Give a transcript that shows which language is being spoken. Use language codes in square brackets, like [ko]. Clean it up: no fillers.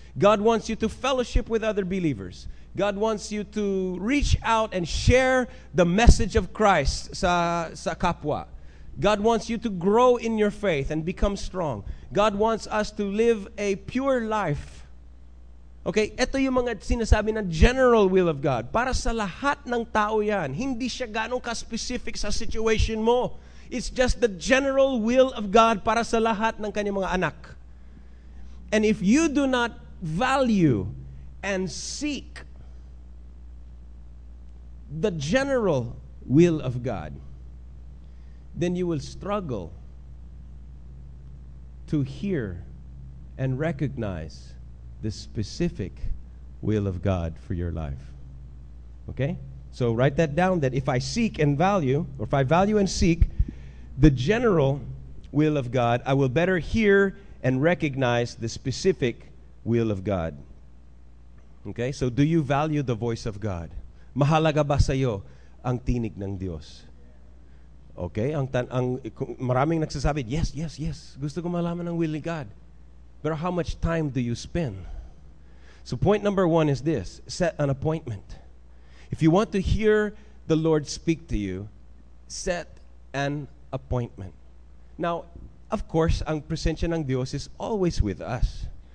[en] God wants you to fellowship with other believers. God wants you to reach out and share the message of Christ [tl] sa kapwa. [en] God wants you to grow in your faith and become strong. God wants us to live a pure life. [tl] Okay, ito yung mga sinasabi na [en] general will of God. [tl] Para sa lahat ng tao yan, hindi siya ganong ka-specific sa situation mo. [en] It's just the general will of God [tl] para sa lahat ng kanyang mga anak. [en] And if you do not value and seek the general will of God, then you will struggle to hear and recognize the specific will of God for your life. Okay? So write that down, that if I seek and value, or if I value and seek the general will of God, I will better hear and recognize the specific will of God. Okay? So do you value the voice of God? [tl] Mahalaga ba sa'yo ang tinig ng Diyos? Okay, ang maraming nagsasabi, [en] yes, yes, yes, [tl] gusto ko malaman ang will ni God. [en] But how much time do you spend? So point number one is this, set an appointment. If you want to hear the Lord speak to you, set an appointment. Now, of course, [tl] ang presensya ng Diyos [en] is always with us.